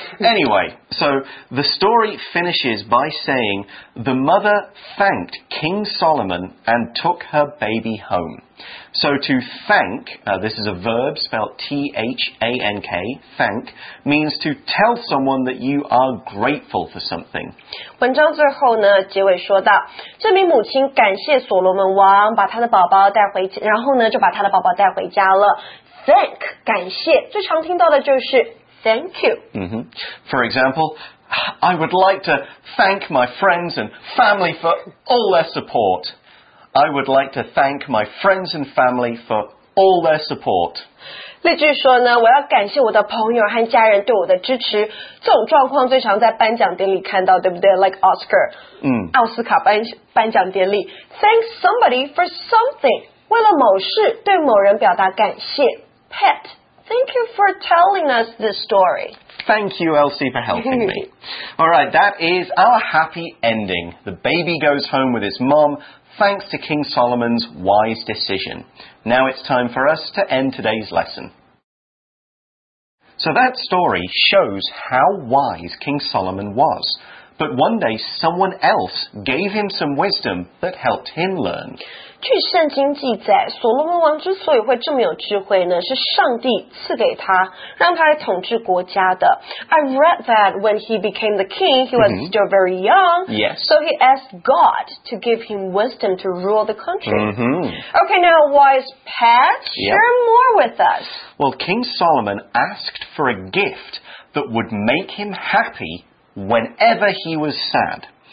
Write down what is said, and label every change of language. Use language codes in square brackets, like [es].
[en] anyway, so the story finishes by saying the mother thanked King Solomon and took her baby home. So to thank, this is a verb spelled T-H-A-N-K, thank, means to tell someone that you are grateful for something. [zh] 文章最后呢，结尾说到，这名母亲感谢所罗门王把他的宝宝带回，然后呢，就把他的宝宝带回家了。 Thank, 感谢，最常听到的就是 thank you. Mm-hmm. [en] For example, I would like to thank my friends and family for all their support. I would like to thank my friends and family for all their support. [zh] 例句说呢，我要感谢我的朋友和家人对我的支持。这种状况最常在颁奖典礼看到，对不对 ？ [en] Like Oscar, [zh] 奥斯卡颁奖典礼 ， [en] thank somebody for something. [zh] 为了某事对某人表达感谢。 [en] Pet, thank you for telling us this story. Thank you, Elsie, for helping me. All right, that is our happy ending. The baby goes home with his mom, thanks to King Solomon's wise decision. Now it's time for us to end today's lesson. So that story shows how wise King Solomon was. But one day, someone else gave him some wisdom that helped him learn. [zh] 据圣经记载，所罗门王之所以会这么有智慧呢，是上帝赐给他，让他来统治国家的。 [en] I read that when he became the king, he was still very young. Yes. So he asked God to give him wisdom to rule the country. Mm-hmm. Okay, now wise Pat, share more with us. Well, King Solomon asked for a gift that would make him happy whenever he was sad.